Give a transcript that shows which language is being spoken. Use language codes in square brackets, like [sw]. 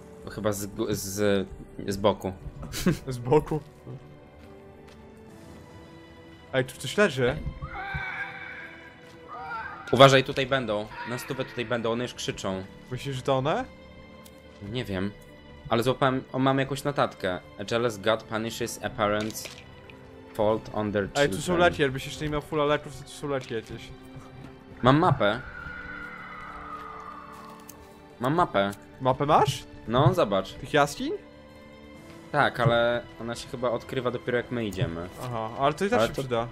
[pl] Chyba z boku. Z boku? Ej, tu coś leży. Uważaj, tutaj będą. Na stówę tutaj będą, one już krzyczą. Myślisz, że to one? Nie wiem. Ale złapałem, mam jakąś notatkę. [en] A jealous god punishes a parent's fault on their children. [pl] Ej, tu są leki, jakbyś jeszcze nie miał fulla leków, to tu są leki jakieś. Mam mapę. Mam mapę. Mapę masz? No, zobacz. Tych jaskiń? Tak, ale ona się chyba odkrywa dopiero jak my idziemy. Aha, ale to i tak się przyda.